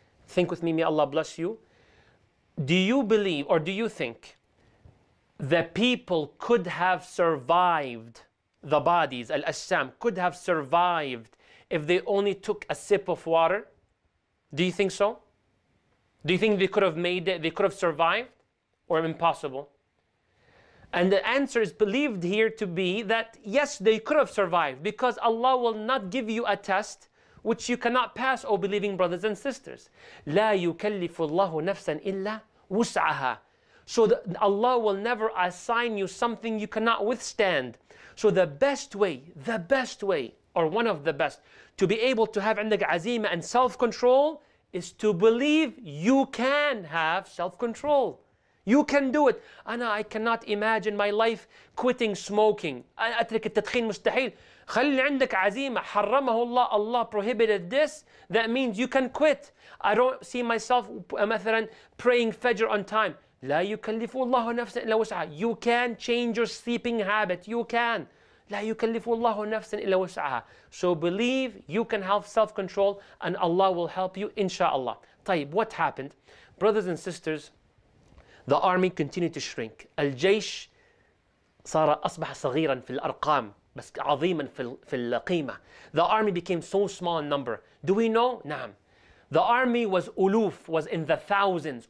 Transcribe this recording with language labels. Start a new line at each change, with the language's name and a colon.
English: Think with me, may Allah bless you. Do you believe or do you think the people could have survived, the bodies, al-ajsam, could have survived if they only took a sip of water? Do you think so? Do you think they could have made it, they could have survived, or impossible? And the answer is believed here to be that yes, they could have survived, because Allah will not give you a test which you cannot pass, O believing brothers and sisters.
Arabic: لا يكلف الله نفسا إلا وسعها.
English: So Allah will never assign you something you cannot withstand. So the best way, or one of the best, to be able to have
Arabic: عندك عزيمة
English: and self-control is to believe you can have self-control. You can do it. Ana, I cannot imagine my life quitting smoking.
Arabic: أترك التدخين مستحيل. خلي عندك عزيمة. حرمه الله.
English: Allah prohibited this. That means you can quit. I don't see myself مثلا praying fajr on time.
Arabic: لا يكلف الله نفسا إلا وسعها.
English: You can change your sleeping habit. You can.
Arabic: لا يكلف الله نفسا إلا وسعها.
English: So believe you can have self-control and Allah will help you inshallah. طيب, what happened? Brothers and sisters, the army continued to shrink.
Arabic: الجيش صار أصبح صغيرا في الأرقام بس عظيما في القيمة.
English: The army became so small in number. Do we know? نعم. The army was أُلوف, was in the thousands.